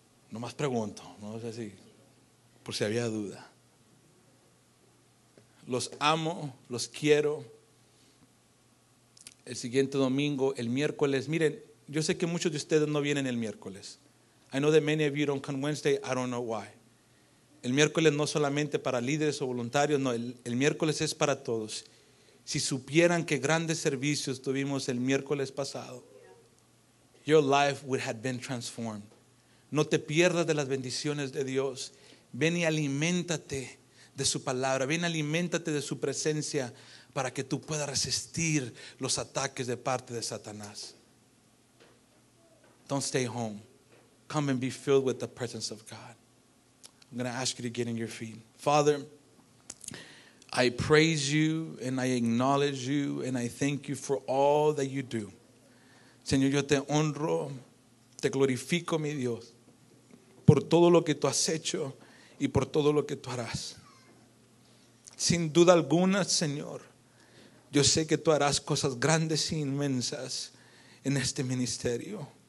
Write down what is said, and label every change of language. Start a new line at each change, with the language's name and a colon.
Spanish: Nomás pregunto, no sé si, por si había duda. Los amo, los quiero. El siguiente domingo, el miércoles, miren, yo sé que muchos de ustedes no vienen el miércoles.
English: I know that many of you don't come Wednesday, I don't know why.
Spanish: El miércoles no solamente para líderes o voluntarios, no, el miércoles es para todos. Si supieran qué grandes servicios tuvimos el miércoles pasado,
English: your life would have been transformed.
Spanish: No te pierdas de las bendiciones de Dios. Ven y aliméntate de su palabra. Ven y aliméntate de su presencia para que tú puedas resistir los ataques de parte de Satanás.
English: Don't stay home. Come and be filled with the presence of God. I'm going to ask you to get in your feet. Father, I praise you and I acknowledge you and I thank you for all that you do.
Spanish: Señor, yo te honro, te glorifico, mi Dios, por todo lo que tú has hecho y por todo lo que tú harás. Sin duda alguna, Señor, yo sé que tú harás cosas grandes e inmensas en este ministerio.